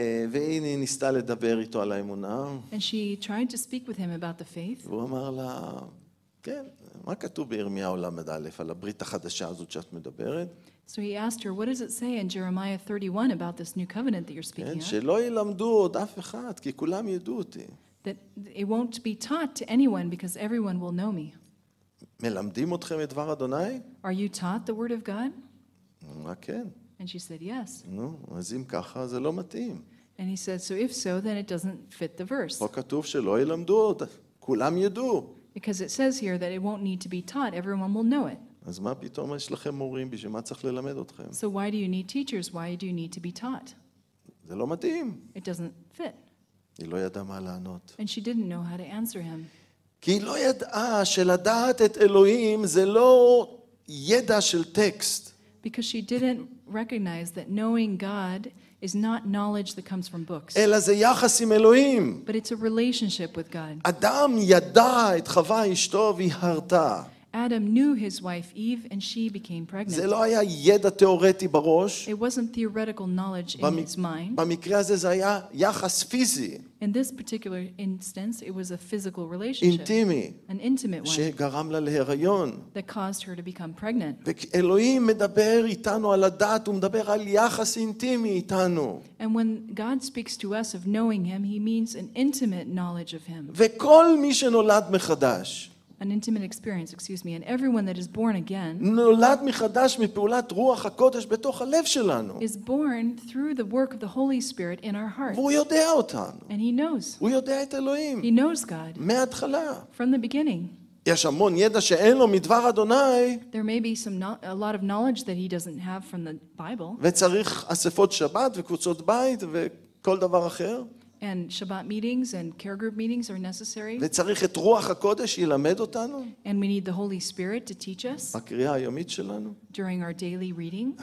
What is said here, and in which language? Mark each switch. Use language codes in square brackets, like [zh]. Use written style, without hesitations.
[he] והנה ניסתה לדבר איתו על האמונה. [en] And she tried to speak with him about the faith. [he] והוא אמר לה, כן, מה כתוב בירמיהו למד א' על הברית החדשה הזאת שאת מדברת? [en] So he asked her, what does it say in Jeremiah 31 about this new covenant that you're speaking of? [he] שלא ילמדו עוד אף אחד, כי כולם ידעו אותי. [en] That it won't be taught to anyone because everyone will know me. [he] מלמדים אתכם את דבר אדוני? [en] Are you taught the word of God? [he] כן. [en] And she said yes. [he] נו, אז אם ככה זה לא מתאים. [en] And he said, so if so, then it doesn't fit the verse. [he] פה כתוב שלא ילמדו, כולם ידעו. [en] Because it says here that it won't need to be taught, everyone will know it. [he] אז מה פתאום יש לכם מורים, בשביל מה צריך ללמד אתכם? [en] So why do you need teachers? Why do you need to be taught? [he] זה לא מתאים. [en] It doesn't fit. [he] היא לא ידעה מה לענות. [en] And she didn't know how to answer him. [he] כי היא לא ידעה שלדעת את אלוהים זה לא ידע של טקסט. [en] Because she didn't recognize that knowing God is not knowledge that comes from books. [he] אלא זה יחס עם אלוהים. [en] But it's a relationship with God. [he] אדם ידע את חווה אשתו והיא הרתה. [en] Adam knew his wife Eve and she became pregnant. [he] זה לא היה ידע תיאורטי בראש. [en] It wasn't theoretical knowledge in his mind. [he] במקרה הזה זה היה יחס פיזי. [en] In this particular instance it was a physical relationship. [he] אינטימי. [en] An intimate one. [he] שגרם לה להיריון. [en] That caused her to become pregnant. [he] ואלוהים מדבר איתנו על הדעת, הוא מדבר על יחס אינטימי איתנו. [en] And when God speaks to us of knowing him, he means an intimate knowledge of him. [he] וכל מי שנולד מחדש, [en] an intimate experience, excuse me, and everyone that is born again, [he] נולד מחדש מפעולת רוח הקודש בתוך הלב שלנו, [en] is born through the work of the Holy Spirit in our hearts. [he] והוא יודע אותנו. [en] And he knows. [he] הוא יודע את אלוהים. [en] He knows God. [he] מההתחלה. [en] From the beginning. [he] יש המון ידע שאין לו מדבר אדוני. [en] There may be some a lot of knowledge that he doesn't have from the Bible. [he] וצריך אספות שבת וקבוצות בית וכל דבר אחר. [en] And Shabbat meetings and care group meetings are necessary. [he] וצריך את רוח הקודש ילמד אותנו. [en] And we need the Holy Spirit to teach us. [he] בקריאה היומית שלנו. [en] During our daily reading.